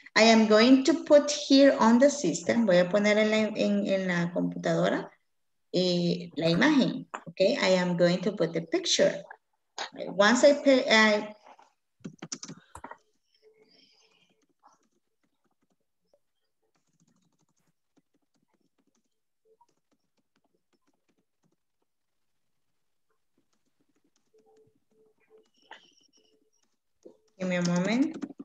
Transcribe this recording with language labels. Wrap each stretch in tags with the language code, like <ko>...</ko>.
<en>I am going to put here on the system.</en> <es>Voy a poner en la computadora la imagen.</es> <en>Okay, I am going to put the picture. Once give me a moment.</en>